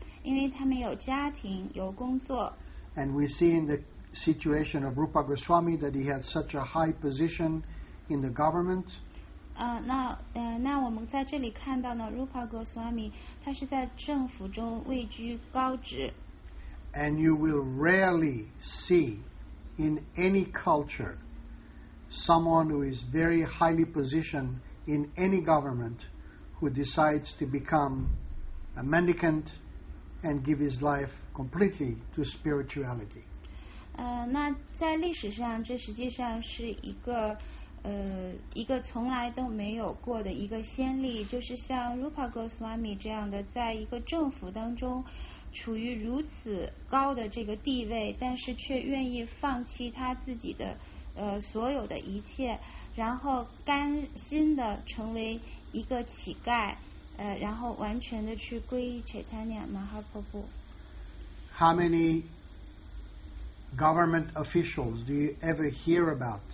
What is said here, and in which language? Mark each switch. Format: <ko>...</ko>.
<zh>因为他们有家庭，有工作。</zh> <en>And we see in the situation of Rupa Goswami that he had such a high position in the government.</en> <zh>那我们在这里看到呢 Rupa Goswami 他是在政府中位居高职。</zh> <en>And you will rarely see in any culture someone who is very highly positioned in any government who decides to become a mendicant and give his life completely to spirituality.</en> <zh>那在历史上这实际上是一个一个从来都没有过的一个先例，就是像 Rupa Goswami 这样的，在一个政府当中处于如此高的这个地位，但是却愿意放弃他自己的所有的一切，然后甘心的成为一个乞丐，然后完全的去皈依 Chaitanya Mahaprabhu。</zh> <en>How many government officials do you ever hear about?</en>